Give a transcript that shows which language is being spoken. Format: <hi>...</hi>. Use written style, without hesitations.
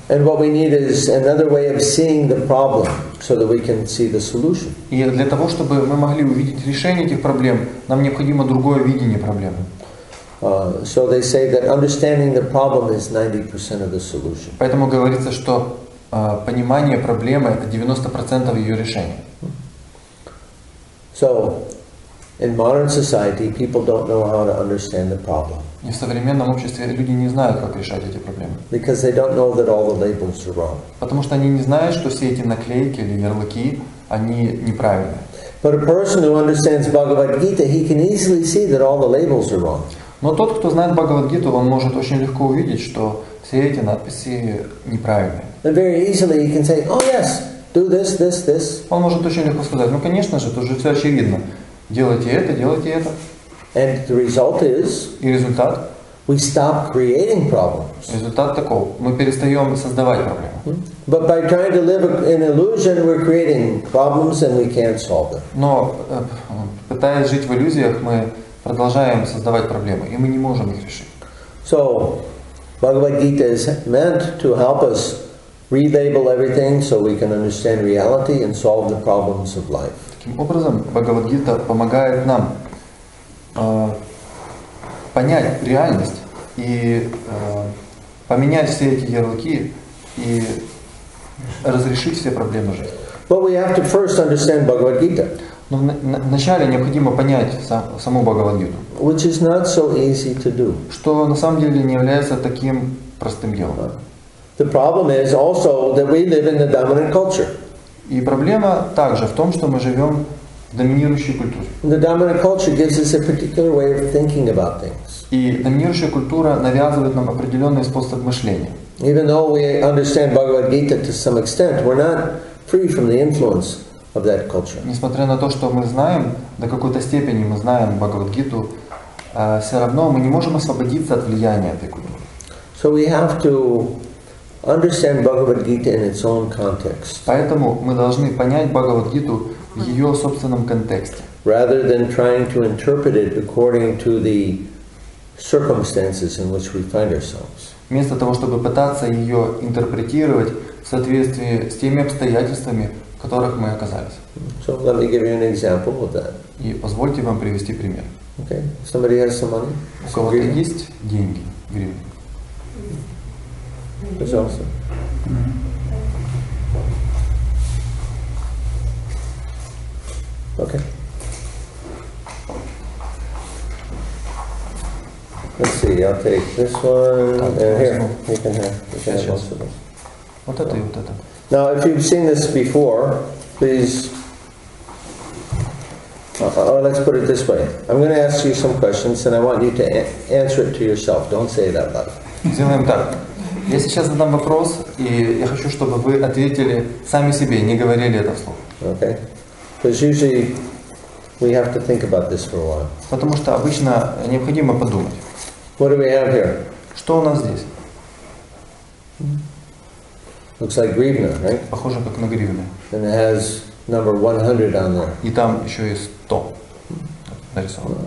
<en>And what we need is another way of seeing the problem, so that we can see the solution.</en> <ru>И для того, чтобы мы могли увидеть решение этих проблем, нам необходимо другое видение проблемы.</ru> <en>So they say that understanding the problem is 90% of the solution.</en> <ru>Поэтому говорится, что понимание проблемы — это 90% ее решения.</ru> <en>So in modern society, people don't know how to understand the problem.</en> <ru>И в современном обществе люди не знают, как решать эти проблемы.</ru> <en>Because they don't know that all the labels are wrong.</en> <ru>Потому что они не знают, что все эти наклейки или ярлыки, они неправильные.</ru> <en>But a person who understands Bhagavad Gita, he can easily see that all the labels are wrong.</en> <ru>Но тот, кто знает Бхагавад Гиту, он может очень легко увидеть, что все эти надписи неправильные.</ru> <en>And very easily he can say, oh yes, do this, this, this.</en> <ru>Он может очень легко сказать, ну конечно же, тут же все очевидно. Делайте это, делайте это.</ru> <en>And the result is,</en> <ru>и результат?</ru> <en>We stop creating problems.</en> <ru>Результат таков, мы перестаем создавать проблемы.</ru> <en>But by trying to live in illusion, we're creating problems and we can't solve them.</en> <ru>Но пытаясь жить в иллюзиях, мы продолжаем создавать проблемы, и мы не можем их решить.</ru> <en>So, Bhagavad Gita is meant to help us relabel everything so we can understand reality and solve the problems of life.</en> <ru>Таким образом, Бхагавад-гита помогает нам понять реальность и поменять все эти ярлыки и разрешить все проблемы жизни.</ru> <en>But we have to first understand Bhagavad Gita.</en> <ru>Но вначале необходимо понять саму Бхагавад-гиту.</ru> <en>Which is not so easy to do.</en> <ru>Что на самом деле не является таким простым делом.</ru> <en>The problem is also that we live in the dominant culture.</en> <ru>И проблема также в том, что мы живем в доминирующей культуре.</ru> <en>The dominant culture gives us a particular way of thinking about things.</en> <ru>И доминирующая культура навязывает нам определенный способ мышления.</ru> <en>Even though we understand Bhagavad Gita to some extent, we're not free from the influence of that culture.</en> <ru>Несмотря на то, что мы знаем, до какой-то степени мы знаем Бхагавад-гиту, все равно мы не можем освободиться от влияния этой культуры.</ru> <en>So we have to understand Bhagavad Gita in its own context.</en> <ru>Поэтому мы должны понять Бхагавад Гиту в ее собственном контексте.</ru> <en>Rather than trying to interpret it according to the circumstances in which we find ourselves.</en> <ru>вместо того, чтобы пытаться ее интерпретировать в соответствии с теми обстоятельствами, в которых мы оказались.</ru> <en>So let me give you an example of that.</en> <ru>И позвольте вам привести пример.</ru> <en>Okay. Somebody has some money.</en> <ru>У кого-то есть деньги, гривны? Пожалуйста.</ru> <en>Okay. Let's see, I'll take this one, and here, you can have this. Now, if you've seen this before, please, let's put it this way. I'm going to ask you some questions, and I want you to answer it to yourself. Don't say it out loud.</en> <ru>Сделаем так. Я сейчас задам вопрос, и я хочу, чтобы вы ответили сами себе, не говорили это вслух.</ru> <en>Okay. Because usually, we have to think about this for a while.</en> <ru>Потому что обычно необходимо подумать.</ru> <en>What do we have here?</en> <ru>Что у нас здесь?</ru> <en>Looks like гривна, right?</en> <ru>Похоже как на гривны.</ru> <en>And it has number 100 on there.</en> <ru>И там еще и 100 нарисовано.</ru>